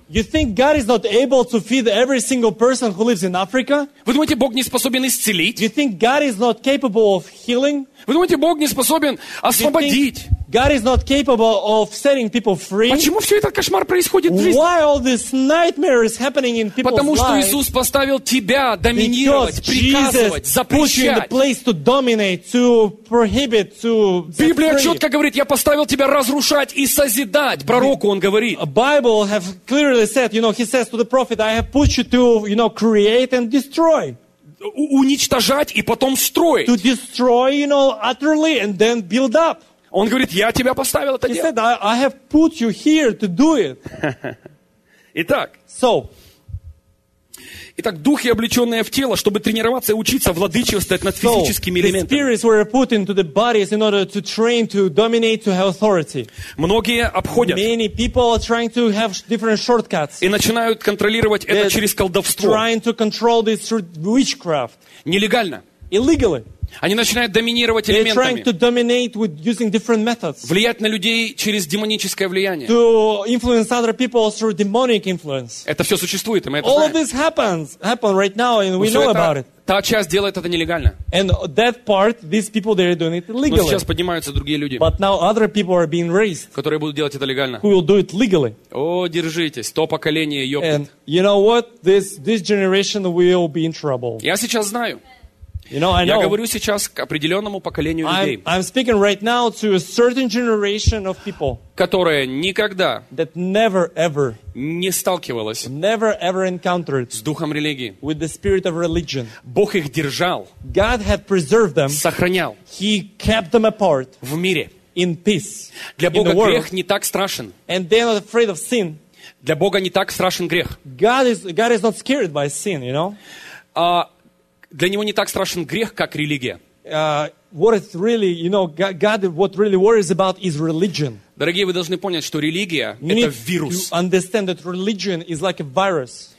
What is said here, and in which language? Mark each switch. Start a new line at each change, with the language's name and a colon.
English: You think God is not able to feed every single person who lives in Africa?
Russian: Вы думаете, Бог не способен исцелить?
English: You think God is not capable of healing?
Russian: Вы думаете, Бог не способен освободить?
English: God is not capable of setting people free?
Russian: Почему все этот кошмар происходит в жизни?
English: Why all this nightmare is happening in people's lives?
Russian: Потому что Иисус поставил тебя доминировать, приказывать, запрещать.
English: In the place to dominate, to prohibit, to
Russian: Библия четко говорит, я поставил тебя разрушать и созидать. Пророку он говорит.
English: Bible have clearly said, you know, he says to the prophet, I have put you to, you know, create and destroy.
Russian: Уничтожать и потом строить.
English: To destroy, you know, utterly and then build up.
Russian: Он говорит, я тебя поставил это делать.
English: He said, I have put you here to do it.
Russian: Итак.
English: So.
Russian: Итак, духи, облеченные в тело, чтобы тренироваться и учиться владычествовать над физическими элементами.
English: The spirits were put into the bodies in order to train, to dominate, to have authority.
Russian: Многие обходят.
English: Many people are trying to have different shortcuts.
Russian: И начинают контролировать это через колдовство.
English: Trying to control this through witchcraft.
Russian: Нелегально.
English: Illegally.
Russian: Они начинают доминировать элементами.
English: They're trying to dominate with using different methods.
Russian: Влиять на людей через демоническое влияние.
English: To influence other people through demonic influence.
Russian: Это все существует, и мы это
English: All
Russian: знаем.
English: All of this happens right now, and we know about it.
Russian: Та часть делает это нелегально.
English: And that part, these people, they're doing it legally.
Russian: Но сейчас поднимаются другие люди.
English: But now other people are being raised.
Russian: Которые будут делать это легально.
English: Who will do it legally.
Russian: О, держитесь, то поколение ёпнет.
English: And you know what? This generation will be in trouble.
Russian: Я сейчас знаю.
English: You know,
Russian: я говорю сейчас к определенному поколению людей.
English: I'm speaking right now to a certain generation of people,
Russian: которая никогда
English: that never, ever,
Russian: не сталкивалась
English: never, ever encountered
Russian: с духом религии.
English: With the spirit of religion.
Russian: Бог их держал,
English: God had preserved them,
Russian: сохранял,
English: He kept them apart
Russian: в мире.
English: In peace,
Russian: для Бога
English: in the
Russian: грех
English: world,
Russian: не так страшен.
English: And they're not afraid of sin.
Russian: Для Бога не так страшен грех.
English: God is not scared by sin, you know?
Russian: Для него не так страшен грех, как религия.
English: What is really, you know, God, what really worries about is religion.
Russian: Дорогие, вы должны понять, что религия — это вирус.
English: You understand that religion is like a virus.